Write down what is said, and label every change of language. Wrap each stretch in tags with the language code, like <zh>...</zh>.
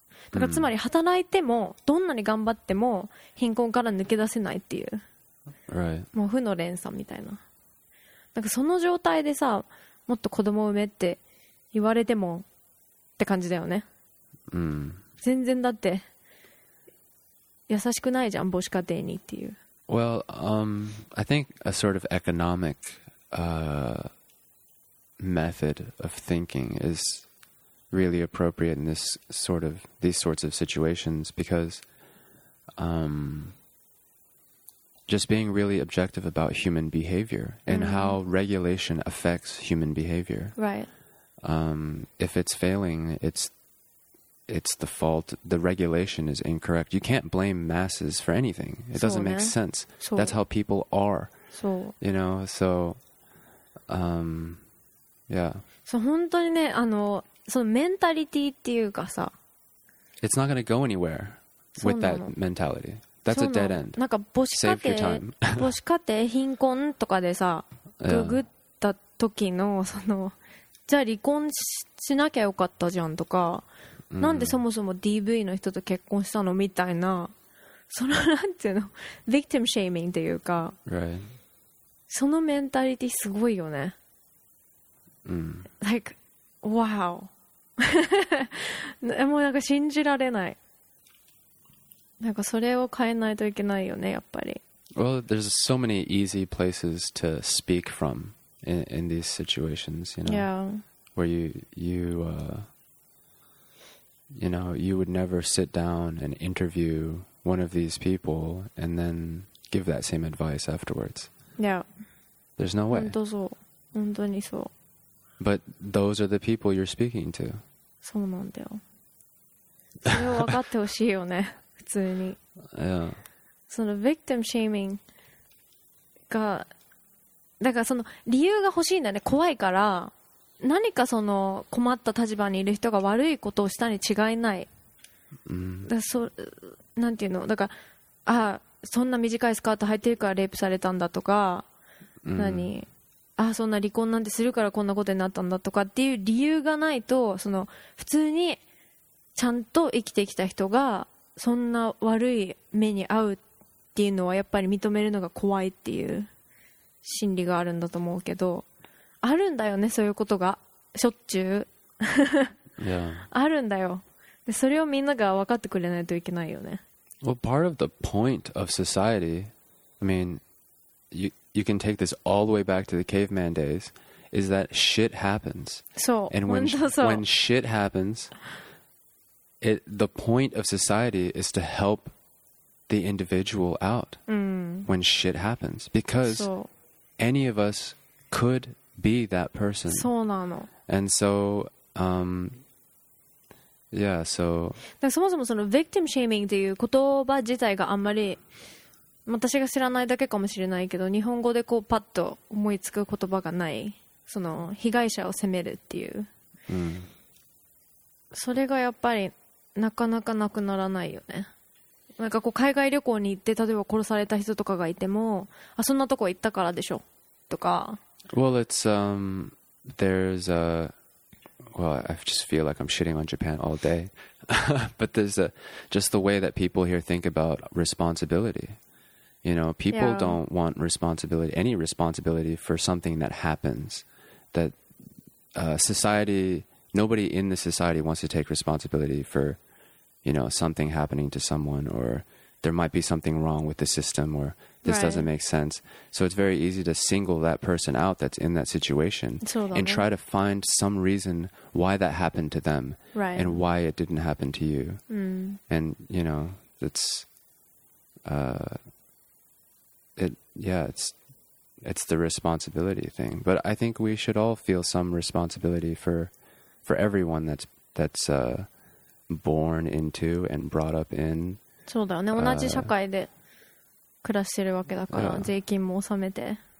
<ja>だからつまり働いてもどんなに頑張っても貧困から抜け出せないっていう、</ja> <en>right.</en> <ja>もう負の連鎖みたいな。なんかその状態でさ、もっと子供を産めって言われてもって感じだよね、うん、全然だって優しくないじゃん母子家庭にっていう。</ja> <en>Well, I think a sort of economic method of thinking is really appropriate in this sort of these sorts of situations, because just being really objective about human behavior and mm-hmm. how regulation affects human behavior. Right. If it's failing, it's the fault. The regulation is incorrect. You can't blame masses for anything. It doesn't make sense. So. That's how people are. So. You know. So. Yeah.</en> <ja>So 本当にね、あの、そのメンタリティっていうかさ、</ja> <en>It's not gonna go anywhere with that mentality. That's a dead end.</en> <ja>なんか母子家庭、母子家庭貧困とかでさ、ググった時のその、じゃあ離婚しなきゃよかったじゃんとか、なんでそもそも DV の人と結婚したのみたいな、そのなんていうの、victim shaming っていうか、そのメンタリティすごいよね。</ja> <en>Like、Wow.</en> <ja>もうなんか信じられない。なんかそれを変えないといけないよね、やっぱり。</ja> <en>Well, there's so many easy places to speak from in these situations, you know. Yeah. Where you would never sit down and interview one of these people and then give that same advice afterwards. Yeah. There's no way.</en> <ja>本当そう。本当にそう。</ja> <en>But those are the people you're speaking to.</en> <ja>そうなんだよ。それを分かってほしいよね、普通に。</ja> <en>Yeah.</en> <ja>その victim shaming が、だからその理由が欲しいんだよね、怖いから。何かその困った立場にいる人が悪いことをしたに違いない。だからそう、なんていうの、だから、あ、そんな短いスカート履いてるからレイプされたんだとか、何。ああそんな離婚なんてするからこんなことになったんだとかっていう理由がないと、その普通にちゃんと生きてきた人がそんな悪い目に遭うっていうのはやっぱり認めるのが怖いっていう心理があるんだと思うけど、あるんだよね、そういうことがしょっちゅう</ja> <en><Yeah.</en> <ja>S 1> あるんだよ。でそれをみんなが分かってくれないといけないよね。</ja> <en>Well, part of the point of society, I mean, you can take this all the way back to the caveman days, is that shit happens. So, and when shit happens, the point of society is to help the individual out when shit happens. Because any of us could be that person.</en> <ja>そうなの。</ja> <en>And so, yeah, so...</en> <ja>だからそもそもその victim shaming っていう言葉自体があんまり、私が知らないだけかもしれないけど、日本語でこうパッと思いつく言葉がない、その被害者を責めるっていう、うん、それがやっぱりなかなかなくならないよね。なんかこう海外旅行に行って例えば殺された人とかがいても、あそんなとこ行ったからでしょとか。</ja> <en>Well, it's there's a well, I just feel like I'm shitting on Japan all day but there's a just the way that people here think about responsibility. You know, people yeah. don't want responsibility, any responsibility for something that happens. That society nobody in the society wants to take responsibility for, you know, something happening to someone, or there might be something wrong with the system, or this right. doesn't make sense. So it's very easy to single that person out that's in that situation and try to find some reason why that happened to them right. and why it didn't happen to you. Mm. And, you know, it's, it's the responsibility thing, but I think we should all feel some responsibility for everyone that's born into and brought up in.</en> <ja>そうだよね。同じ社会で暮らしてるわけだから、税金も納めて。</ja>